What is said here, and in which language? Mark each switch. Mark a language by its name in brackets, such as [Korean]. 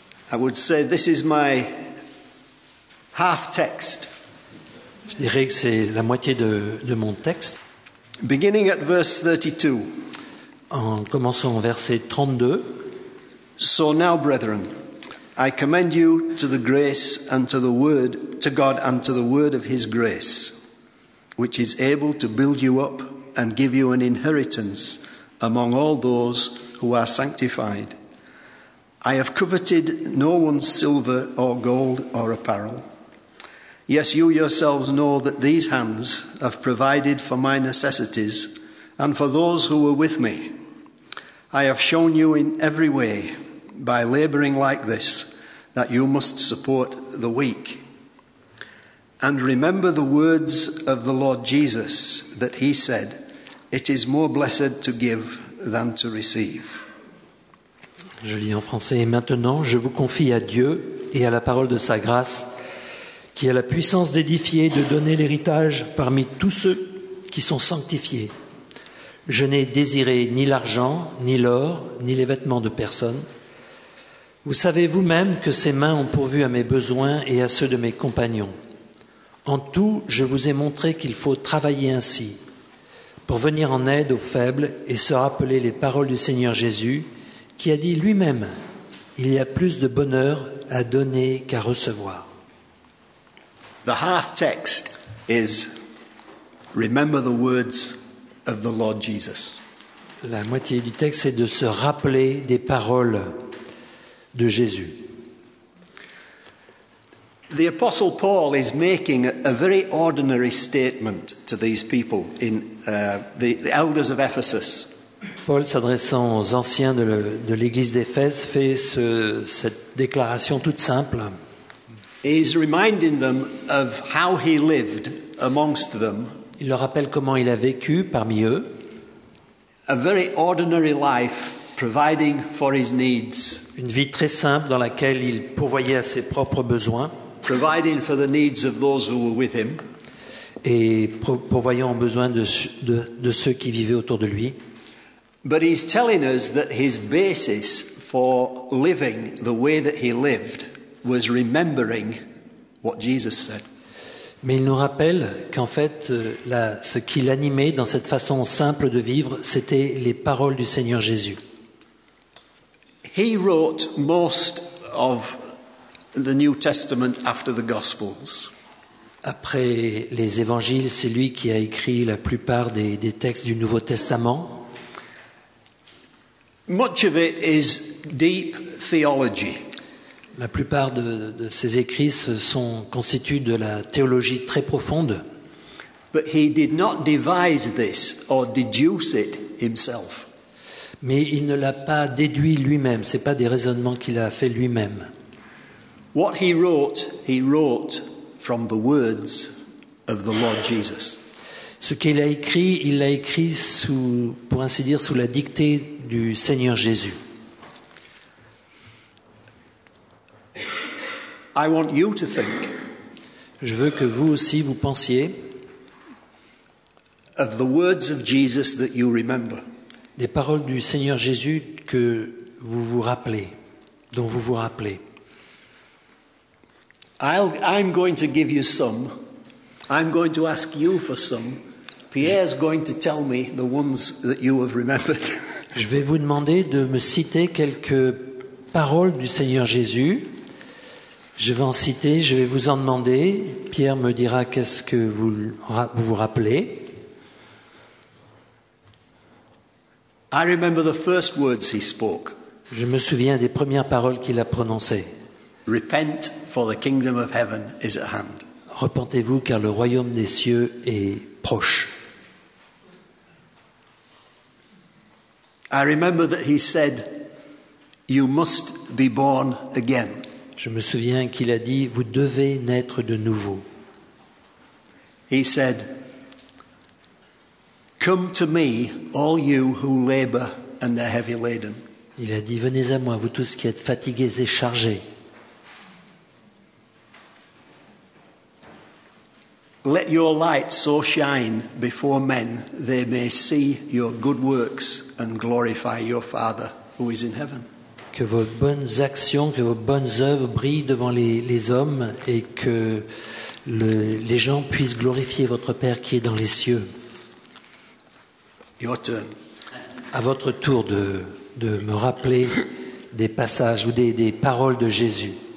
[English] I would say this is my half text. [French] Je dirais que c'est la moitié de mon texte. [English] Beginning at verse 32. [French] En commençant au verset 32. [English] So now, brethren, I commend you to the grace and to the word, to God and to the word of his grace, which is able to build you up and give you an inheritance among all those who are sanctified. I have coveted no one's silver or gold or apparel. Yes, you yourselves know that these hands have provided for my necessities and for those who were with me. I have shown you in every way by labouring like this, that you must support the weak. And remember the words of the Lord Jesus that he said, it is more blessed to give than to receive. [French] Je lis en français. Et maintenant, je vous confie à Dieu et à la parole de sa grâce, qui a la puissance d'édifier et de donner l'héritage parmi tous ceux qui sont sanctifiés. Je n'ai désiré ni l'argent, ni l'or, ni les vêtements de personne. Vous savez vous-même que ces mains ont pourvu à mes besoins et à ceux de mes compagnons. En tout, je vous ai montré qu'il faut travailler ainsi, pour venir en aide aux faibles et se rappeler les paroles du Seigneur Jésus, qui a dit lui-même, « Il y a plus de bonheur à donner qu'à recevoir. » [English] The half text is, remember the words of the Lord Jesus. [French] La moitié du texte est de se rappeler des paroles de Jésus. [English] The Apostle Paul is making a very ordinary statement to these people in the elders of Ephesus. [French] Paul, s'adressant aux anciens de l'église d'Éphèse, fait cette déclaration toute simple. [English] He's reminding them of how he lived amongst them. [French] Il leur rappelle comment il a vécu parmi eux. [English] A very ordinary life, providing for his needs. [French] Une vie très simple dans laquelle il pourvoyait à ses propres besoins. [English] Providing for the needs of those who were with him. [French] Et pourvoyant aux besoins de ceux qui vivaient autour de lui. [English] But he's telling us that his basis for living the way that he lived was remembering what Jesus said. [French] Mais il nous rappelle qu'en fait, ce qui l'animait dans cette façon simple de vivre, c'était les paroles du Seigneur Jésus. [English] He wrote most of the New Testament after the Gospels. [French] Après les Évangiles, c'est lui qui a écrit la plupart des textes du Nouveau Testament. [English] Much of it is deep theology. [French] La plupart de ses écrits constituent de la théologie très profonde. [English] But he did not devise this or deduce it himself. [French] Mais il ne l'a pas déduit lui-même, ce n'est pas des raisonnements qu'il a fait lui-même. [English] What he wrote from the words of the Lord Jesus. [French] Ce qu'il a écrit, il l'a écrit pour ainsi dire, sous la dictée du Seigneur Jésus. [English] I want you to think. [French] Je veux que vous aussi vous pensiez [English] of the words of Jesus that you remember. [French] Des paroles du Seigneur Jésus que vous vous rappelez, dont vous vous rappelez. [English] I'm going to give you some. I'm going to ask you for some. Pierre's going to tell me the ones that you have remembered. [French] Je vais vous demander de me citer quelques paroles du Seigneur Jésus. Je vais en citer, je vais vous en demander. Pierre me dira qu'est-ce que vous vous rappelez. [English] I remember the first words he spoke. [French] Je me souviens des premières paroles qu'il a prononcées. [English] Repent, for the kingdom of heaven is at hand. [French] Repentez-vous, car le royaume des cieux est proche. [English] I remember that he said, you must be born again. [French] Je me souviens qu'il a dit, vous devez naître de nouveau. [English] He said, come to me, all you who labor and are heavy laden. [French] Il a dit, venez à moi, vous tous qui êtes fatigués et chargés. [English] Let your light so shine before men, they may see your good works and glorify your Father who is in heaven. [French] Que vos bonnes actions, que vos bonnes œuvres brillent devant les hommes et que les gens puissent glorifier votre Père qui est dans les cieux. [English] Your turn. [French] À votre tour de me rappeler des passages ou des paroles de Jésus.